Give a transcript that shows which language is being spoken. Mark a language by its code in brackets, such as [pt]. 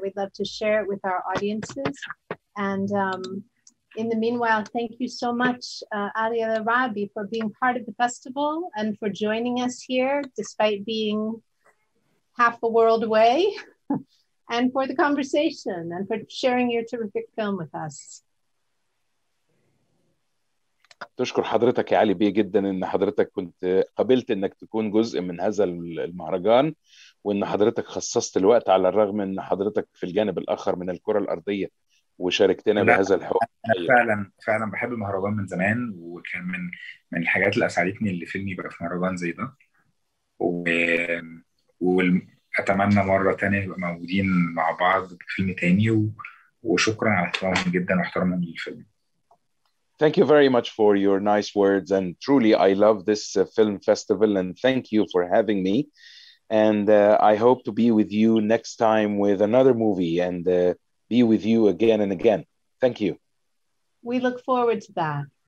[en] We'd love to share it with our audiences. And in the meanwhile, thank you so much, Ali Al-Arabi, for being part of the festival and for joining us here, despite being half a world away, and for the conversation and for sharing your terrific film with us. [ar] تشكر حضرتك يا علي بيه جدا ان حضرتك كنت قبلت انك تكون جزء من هذا المهرجان، وان حضرتك خصصت الوقت على الرغم ان حضرتك في الجانب الاخر من الكرة الارضية وشاركتنا بهذا الحوار. انا فعلا فعلا بحب المهرجان من زمان، وكان من الحاجات اللي اسعدتني اللي فيلمي بقى في مهرجان زي ده، واتمنى مرة تانية يبقى موجودين مع بعض في فيلم تاني. وشكرا على احترامهم جدا واحترامهم للفيلم. [en] Thank you very much for your nice words, and truly I love this film festival, and thank you for having me, and I hope to be with you next time with another movie and be with you again and again. Thank you. We look forward to that.